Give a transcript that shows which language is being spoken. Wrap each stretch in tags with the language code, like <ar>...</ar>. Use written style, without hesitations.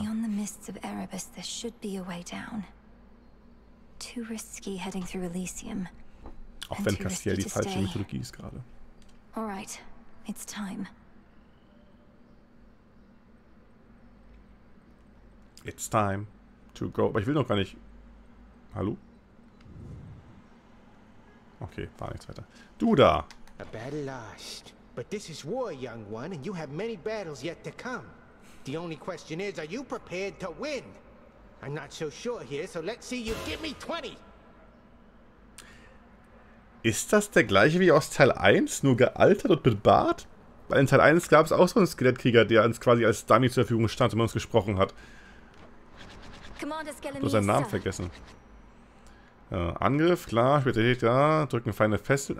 <en>Beyond the mists of Erebus, there should be a way down. Too risky heading through Elysium.</en> <de>Auch wenn Castiel die falsche Mythologie ist gerade.</de> <en>All right, it's time. It's time to go.</en> <de>Aber ich will noch gar nicht. Hallo? Okay, war nichts weiter. Du da!</de> <en>A battle lost. But this is war, young one, and you have many battles yet to come. The only question is, are you prepared to win? I'm not so sure here, so let's see you give me 20!</en> <de>Ist das der gleiche wie aus Teil 1, nur gealtert und mit Bart? Weil in Teil 1 gab es auch so einen Skelettkrieger, der uns quasi als Dummy zur Verfügung stand und mit uns gesprochen hat. Nur seinen Namen vergessen. Ja, Angriff, klar, Spezialität, ja, drücken feine Fesseln.</de>